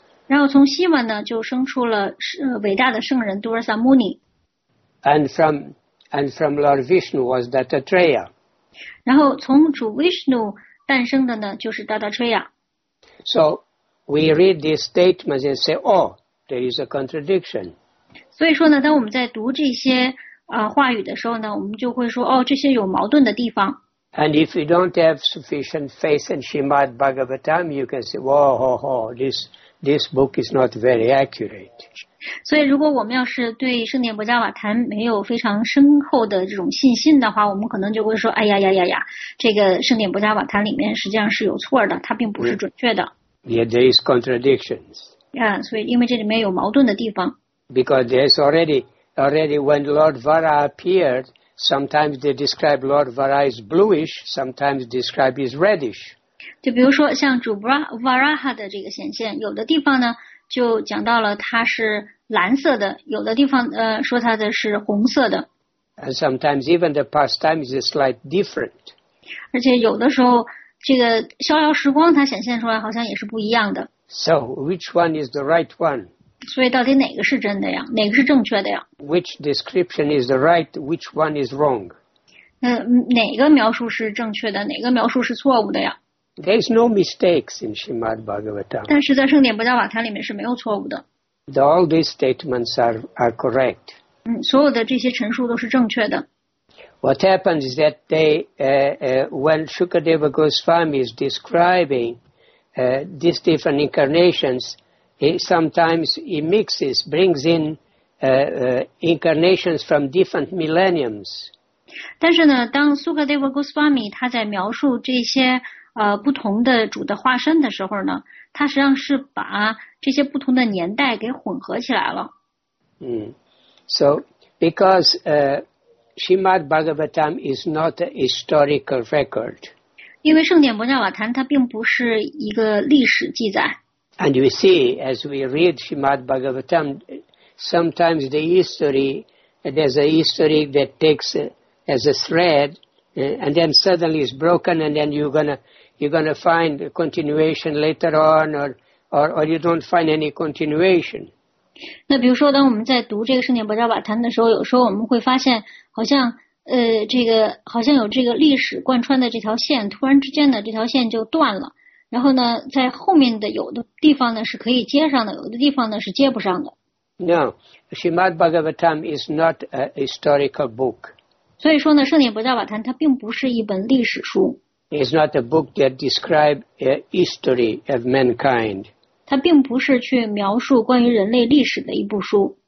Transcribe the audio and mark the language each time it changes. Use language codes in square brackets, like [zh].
[zh] 然后从 Shiva 呢就生出了伟大的圣人 Durvasa Muni. [en] And from Lord Vishnu was Dattatreya. [zh] 然后从主 Vishnu 诞生的呢就是 Dattatreya. [en] So we read these statements and say, oh, there is a contradiction. [zh] 所以说呢，当我们在读这些话语的时候呢，我们就会说哦，这些有矛盾的地方。 [en] And if you don't have sufficient faith in Srimad Bhagavatam, you can say, whoa, this book is not very accurate. [zh] 所以如果我们要是对圣典博迦瓦坛没有非常深厚的这种信心的话，我们可能就会说，哎呀呀呀呀，这个圣典博迦瓦坛里面实际上是有错的，它并不是准确的。 [en] Yeah, there is contradictions. [zh] Yeah, 所以因为这里面有矛盾的地方。 [en] Because there's already when Lord Vara appeared, sometimes they describe Lord Vara as bluish, sometimes describe as reddish. [zh] 就比如说像主 Varaha 的这个显现，有的地方呢就讲到了它是蓝色的，有的地方说它的是红色的。 [en] And sometimes even the past time is a slight different. [zh] 而且有的时候这个逍遥时光它显现出来好像也是不一样的。 [en] So which one is the right one? [zh] 所以到底哪个是真的呀？哪个是正确的呀 [en] ？Which description is the right? Which one is wrong? [zh] 哪个描述是正确的？哪个描述是错误的呀 [en] ？There's no mistakes in Srimad Bhagavatam. [zh] 但是在圣典博迦瓦坛里面是没有错误的。 [en] All these statements are correct. [zh] 所有的这些陈述都是正确的。 [en] What happens is that they, when Shukadeva Goswami is describing, these different incarnations. He sometimes he mixes, brings in incarnations from different millenniums. [zh] 但是呢，当 Sukadeva Goswami 他在描述这些不同的主的化身的时候呢，他实际上是把这些不同的年代给混合起来了。 [en] So because Srimad Bhagavatam is not a historical record. [zh] 因为圣典摩纳瓦坛它并不是一个历史记载。 [en] And we see, as we read Srimad Bhagavatam, sometimes the history, there's a history that takes as a thread, and then suddenly it's broken, and then you're gonna find a continuation later on, or you don't find any continuation. [zh] 那比如说，当我们在读这个圣典摩纳瓦坛的时候，有时候我们会发现，好像这个好像有这个历史贯穿的这条线，突然之间的这条线就断了。然后呢，在后面的有的地方呢是可以接上的，有的地方呢是接不上的。 [en] No, Srimad Bhagavatam is not a historical book. [zh] 所以说呢，圣典摩纳瓦坛它并不是一本历史书。 [en] It's not a book that describes a history of mankind. [zh] 它并不是去描述关于人类历史的一部书。